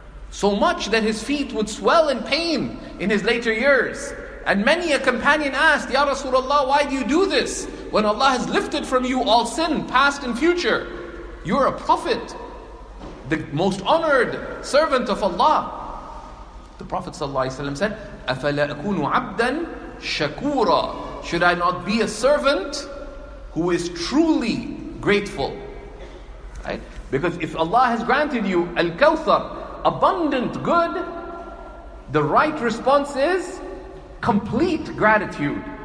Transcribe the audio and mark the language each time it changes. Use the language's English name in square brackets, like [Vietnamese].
[English] So much that his feet would swell in pain in his later years. And many a companion asked, Ya Rasulullah, why do you do this? When Allah has lifted from you all sin, past and future. You're a prophet, the most honored servant of Allah. The Prophet ﷺ said, [Arabic] أَفَلَا أَكُونُ عَبْدًا شَكُورًا. [English] Should I not be a servant who is truly grateful? Right? Because if Allah has granted you al-kawthar, abundant good, the right response is complete gratitude.